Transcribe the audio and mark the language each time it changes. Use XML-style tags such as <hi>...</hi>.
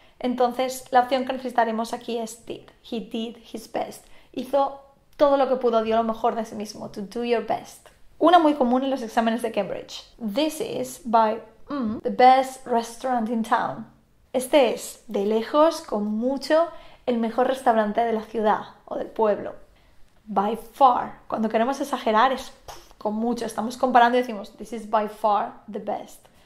<es>Entonces, la opción que necesitaremos aquí es did.</es> <en>He did his best.</en> <es>Hizo todo lo que pudo, dio lo mejor de sí mismo.</es> <en>To do your best.</en> <es>Una muy común en los exámenes de Cambridge.</es> <en>This is by the best restaurant in town.</en> <es>Este es, de lejos, con mucho, el mejor restaurante de la ciudad o del pueblo. By far. Cuando queremos exagerar es con mucho. Estamos comparando y decimos</es> <en>this is by far the best.</en>